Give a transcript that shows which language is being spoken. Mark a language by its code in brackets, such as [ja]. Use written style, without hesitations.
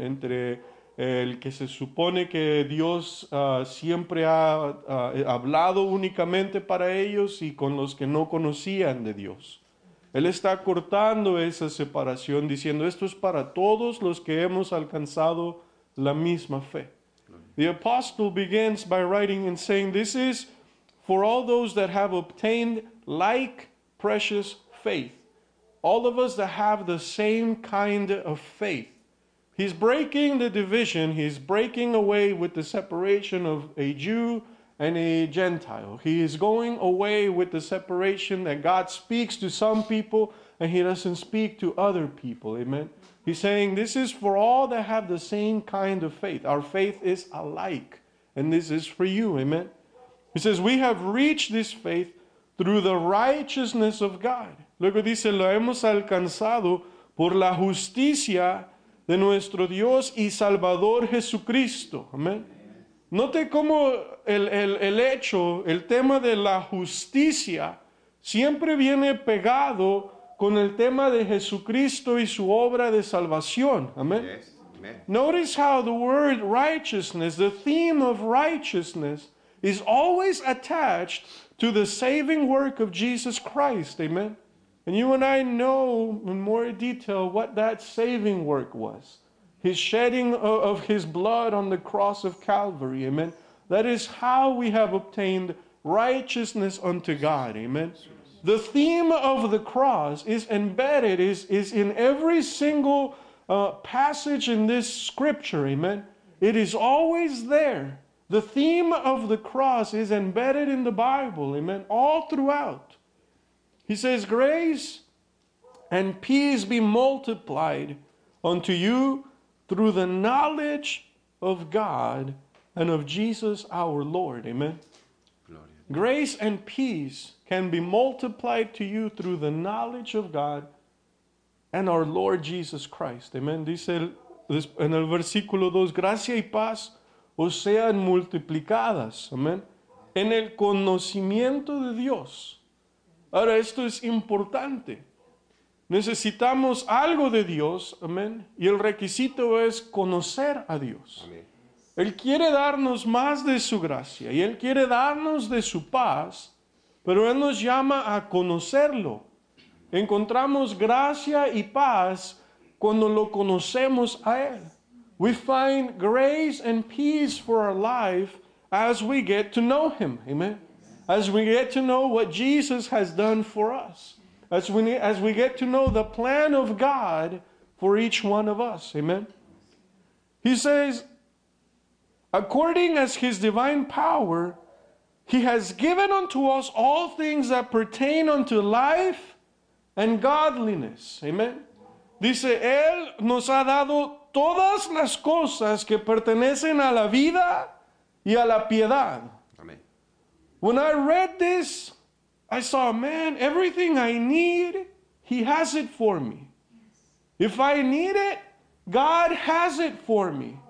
[es] Entre el que se supone que Dios siempre ha hablado únicamente para ellos y con los que no conocían de Dios. Él está cortando esa separación diciendo, esto es para todos los que hemos alcanzado la misma fe. [en] The apostle begins by writing and saying, this is for all those that have obtained like precious faith. All of us that have the same kind of faith. He's breaking the division. He's breaking away with the separation of a Jew and a Gentile. He is going away with the separation that God speaks to some people and he doesn't speak to other people. Amen. He's saying this is for all that have the same kind of faith. Our faith is alike. And this is for you. Amen. He says we have reached this faith through the righteousness of God. [es] Luego dice, lo hemos alcanzado por la justicia de nuestro Dios y Salvador Jesucristo. Amén. Note cómo el hecho, el tema de la justicia, siempre viene pegado con el tema de Jesucristo y su obra de salvación. Amén. [en] Notice how the word righteousness, the theme of righteousness, is always attached to the saving work of Jesus Christ. Amén. And you and I know in more detail what that saving work was. His shedding of his blood on the cross of Calvary. Amen. That is how we have obtained righteousness unto God. Amen. The theme of the cross is embedded, is in every single passage in this scripture. Amen. It is always there. The theme of the cross is embedded in the Bible. Amen. All throughout. He says, grace and peace be multiplied unto you through the knowledge of God and of Jesus our Lord. Amen. Gloria. Grace and peace can be multiplied to you through the knowledge of God and our Lord Jesus Christ. Amen. [es] Dice en el versículo 2, gracia y paz os sean multiplicadas. Amen. En el conocimiento de Dios. Ahora, esto es importante. Necesitamos algo de Dios, amén, y el requisito es conocer a Dios. Amén. Él quiere darnos más de su gracia y Él quiere darnos de su paz, pero Él nos llama a conocerlo. Encontramos gracia y paz cuando lo conocemos a Él. [en] We find grace and peace for our life as we get to know Him, amén. As we get to know what Jesus has done for us. As we get to know the plan of God for each one of us. Amen. He says, according as his divine power, he has given unto us all things that pertain unto life and godliness. Amen. [es] Dice, Él nos ha dado todas las cosas que pertenecen a la vida y a la piedad. [en] When I read this, I saw, man, everything I need, he has it for me. Yes. If I need it, God has it for me.